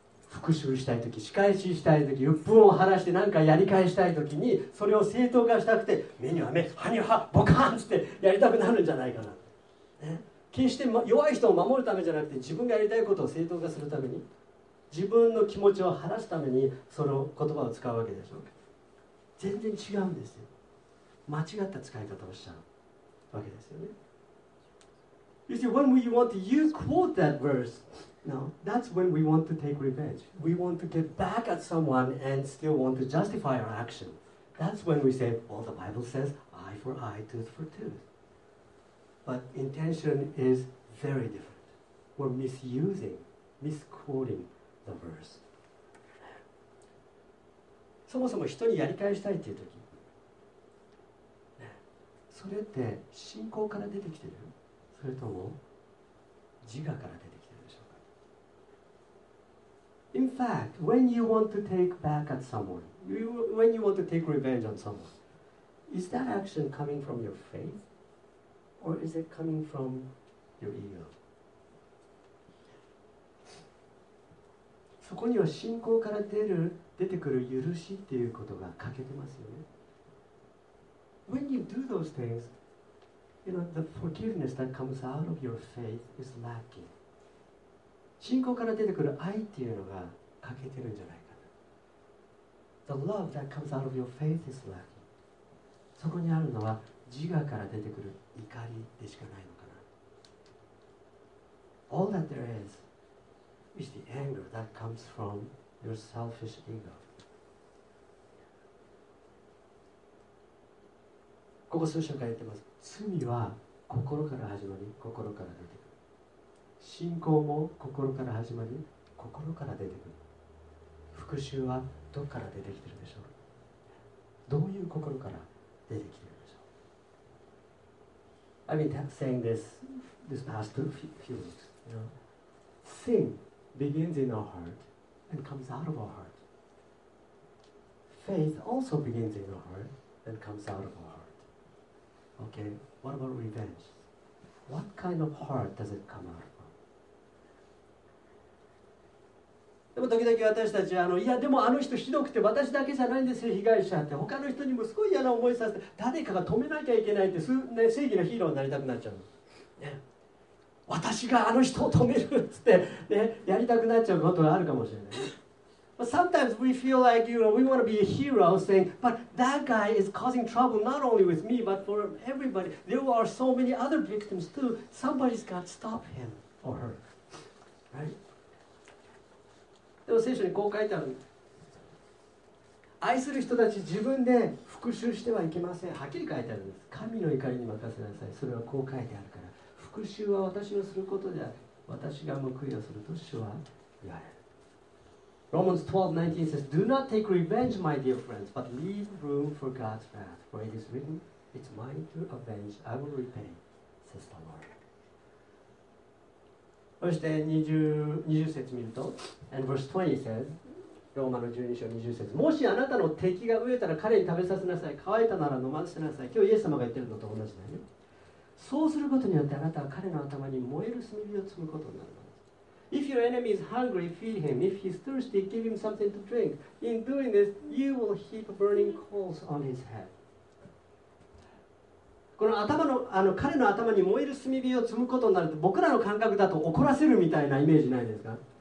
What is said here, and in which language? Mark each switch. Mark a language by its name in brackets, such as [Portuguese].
[Japanese] 復讐したいとき、仕返ししたいとき、鬱憤を晴らして何かやり返したいときに、それを正当化したくて、目には目、歯には歯、ボカンってやりたくなるんじゃないかな。ね、決して弱い人を守るためじゃなくて、自分がやりたいことを正当化するために、自分の気持ちを晴らすためにその言葉を使うわけでしょう。全然違うんですよ。間違った使い方をしちゃうわけですよね。 [English] You see, when we want to use quote that verse, now, that's when we want to take revenge. We want to get back at someone and still want to justify our action. That's when we say, well, the Bible says, eye for eye, tooth for tooth. But intention is very different. We're misusing, misquoting the verse. [Japanese] そもそも人にやり返したいっていう時、それって信仰から出てきてる？それとも自我から出てきてるでしょうか？ [English] In fact, when you want to take back at someone, when you want to take revenge on someone, is that action coming from your faith? Or is it coming from your ego? [Japanese] そこには信仰から出てくる許しっていうことが欠けてますよね。 [English] When you do those things, you know, the forgiveness that comes out of your faith is lacking. [Japanese] 信仰から出てくる愛っていうのが欠けてるんじゃないかな。 [English] The love that comes out of your faith is lacking. [Japanese] そこにあるのは自我から出てくる怒りでしかないのかな。 [English] All that there is the anger that comes from your selfish ego. [Japanese] ここ数章から言ってます。罪は心から始まり、心から出てくる。信仰も心から始まり、心から出てくる。復讐はどこから出てきてるでしょう。どういう心から出てきてるでしょう。 [English] I've been saying this past few weeks. Sin begins in our heart and comes out of our heart. Faith also begins in our heart and comes out of our heart. Okay, what about revenge? What kind of heart does it come out from? [Japanese] でも時々私たちはいやでもあの人ひどくて私だけじゃないんですよ被害者って他の人にもすごい嫌な思いさせて誰かが止めなきゃいけないって、ね、正義のヒーローになりたくなっちゃう、ね、私があの人を止めるっつって、ね、やりたくなっちゃうことがあるかもしれない。 [English] But sometimes we feel like, you know, we want to be a hero saying, but that guy is causing trouble not only with me, but for everybody. There are so many other victims too. Somebody's got to stop him or her. [Japanese] Right? でも聖書にこう書いてある。愛する人たち自分で復讐してはいけません。はっきり書いてあるんです。神の怒りに任せなさい。それはこう書いてあるから。復讐は私をすることである。私が報いをすると主は言われる。 [English] Romans 12:19 says, Do not take revenge, my dear friends, but leave room for God's wrath. For it is written, It's mine to avenge, I will repay, says the Lord. [Japanese] そして20節見ると、 [English] And verse 20 says, [Japanese] ローマの12章20節、もしあなたの敵が飢えたら彼に食べさせなさい、乾いたなら飲ませなさい。今日イエス様が言ってるのと同じだよね。そうすることによってあなたは彼の頭に燃える炭火を積むことになる。 [English] If your enemy is hungry, feed him. If he's thirsty, give him something to drink. In doing this, you will heap burning coals on his head. [Japanese] この頭の、彼の頭に燃える炭火を積むことになると、僕らの感覚だと怒らせるみたいなイメージないですか？